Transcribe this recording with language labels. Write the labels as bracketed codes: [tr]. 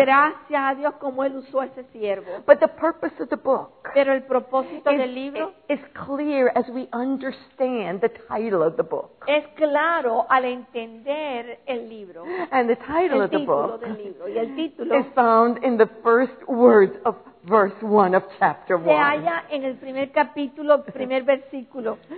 [es] Gracias a Dios como él usó ese siervo. [en] But the purpose of the book. [es] Pero el propósito del libro. [en] Is clear as we understand the title of the book. [es] Es claro al entender el libro. [en] And the title [es] el [en] of the book [es] del libro. Y el [en] is found in the first words of verse 1 of chapter 1. [es] Se halla en el primer capítulo, primer versículo.